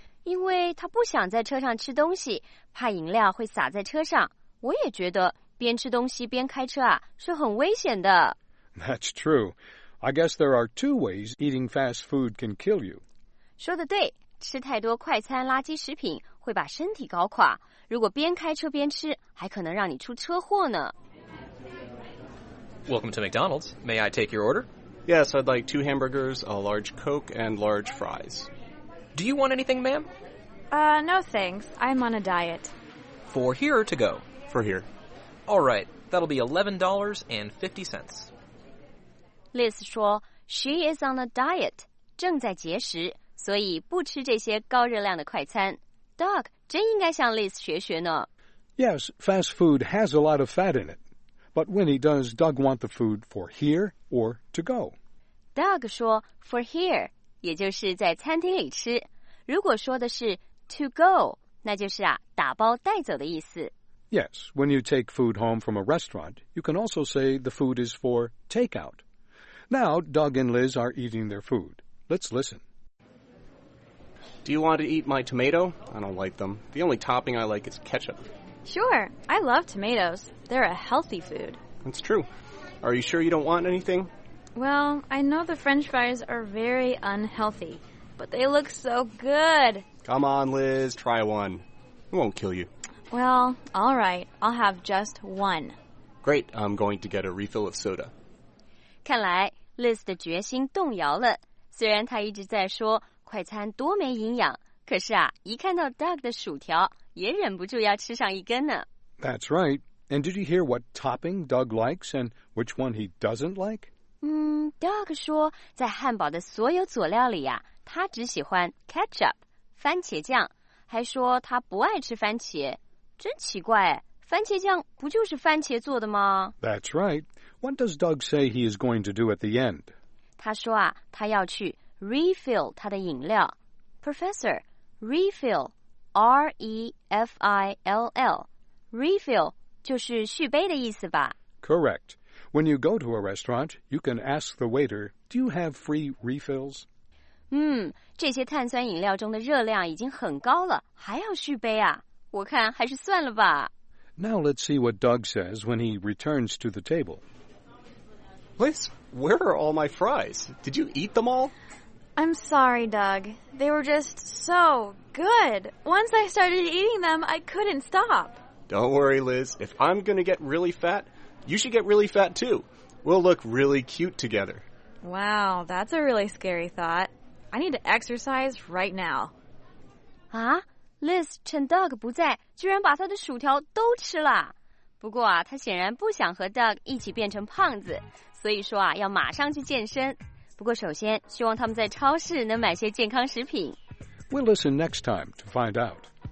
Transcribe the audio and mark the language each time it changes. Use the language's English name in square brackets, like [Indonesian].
[Chinese] 因为他不想在车上吃东西，怕饮料会洒在车上。我也觉得边吃东西边开车啊，是很危险的。 [English] That's true. I guess there are two ways eating fast food can kill you. 说得对，吃太多快餐垃圾食品会把身体搞垮。如果边开车边吃，还可能让你出车祸呢。 Welcome to McDonald's. May I take your order? Yes, I'd like two hamburgers, a large Coke, and large fries. Do you want anything, ma'am? No thanks. I'm on a diet. For here or to go? For here. All right, that'll be $11.50. [Chinese] Liz 说 , [English] She is on a diet, [Chinese] 正在节食，所以不吃这些高热量的快餐。 Doug 真应该向 Liz 学学呢。 [English] Yes, fast food has a lot of fat in it. But Winnie, does Doug want the food for here or to go? [Chinese] Doug 说 ,for here, 也就是在餐厅里吃。如果说的是 to go, 那就是啊打包带走的意思。 [English] Yes, when you take food home from a restaurant, you can also say the food is for takeout. Now, Doug and Liz are eating their food. Let's listen. Do you want to eat my tomato? I don't like them. The only topping I like is ketchup. Sure, I love tomatoes. They're a healthy food. That's true. Are you sure you don't want anything? Well, I know the French fries are very unhealthy, but they look so good. Come on, Liz, try one. It won't kill you. Well, all right, I'll have just one. Great, I'm going to get a refill of soda. [Chinese] 看来 Liz 的决心动摇了。虽然她一直在说快餐多没营养，可是啊，一看到 Doug 的薯条，也忍不住要吃上一根呢。 [English] That's right. And did you hear what topping Doug likes and which one he doesn't like? [Chinese] Doug 说在汉堡的所有佐料里啊，他只喜欢 ketchup, 番茄酱，还说他不爱吃番茄。真奇怪，番茄酱不就是番茄做的吗？ [English] That's right. What does Doug say he is going to do at the end? [Chinese] 他说啊，他要去 refill 他的饮料。 [English] Professor, refill, R-E-F-I-L-L. [Chinese] Refill 就是续杯的意思吧？ [English] Correct. When you go to a restaurant, you can ask the waiter, do you have free refills? [Chinese] 这些碳酸饮料中的热量已经很高了，还要续杯啊？我看还是算了吧。 [English] Now let's see what Doug says when he returns to the table. Liz, where are all my fries? Did you eat them all? I'm sorry, Doug. They were just so good. Once I started eating them, I couldn't stop. Don't worry, Liz. If I'm going to get really fat, you should get really fat too. We'll look really cute together. Wow, that's a really scary thought. I need to exercise right now. Huh? [Chinese] Liz 趁 Doug 不在，居然把他的薯条都吃了。不过啊，他显然不想和 Doug 一起变成胖子，所以说啊，要马上去健身。不过首先，希望他们在超市能买些健康食品。 [English] We'll listen next time to find out.